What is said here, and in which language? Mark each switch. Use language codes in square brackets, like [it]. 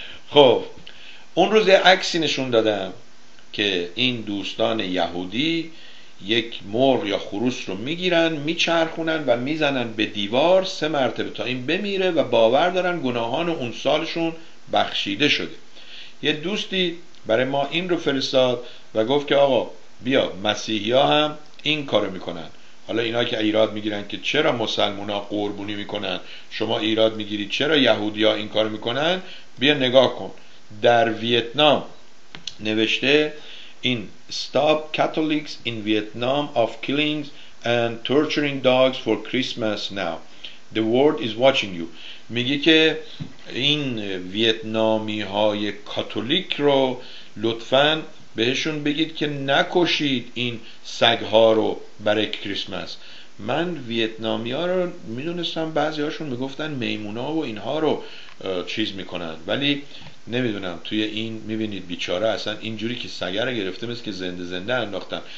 [fa] خب اون روز یه عکسی نشون دادم که این دوستان یهودی یک مرغ یا خروس رو میگیرن، میچرخونن و میزنن به دیوار 3 مرتبه تا این بمیره و باور دارن گناهان اون سالشون بخشیده شده. یه دوستی برای ما این رو فرستاد و گفت که آقا بیا، مسیحی ها هم این کارو میکنن. حالا اینا که ایراد میگیرن که چرا مسلمان ها قربونی میکنن، شما ایراد میگیرید چرا یهودی ها این کارو میکنن، بیا نگاه کن. در ویتنام نوشته این: [en] Stop Catholics in Vietnam of killing and torturing dogs for Christmas now. The world is watching you. [fa] میگه که این ویتنامی های کاتولیک رو لطفاً بهشون بگید که نکشید این سگها رو برای کریسمس. من ویتنامی ها رو میدونستم، بعضی هاشون میگفتن میمون ها و اینها رو چیز میکنن، ولی نمیدونم توی این میبینید بیچاره اصلا اینجوری که سگه رو گرفته مثل که زنده زنده انداختن.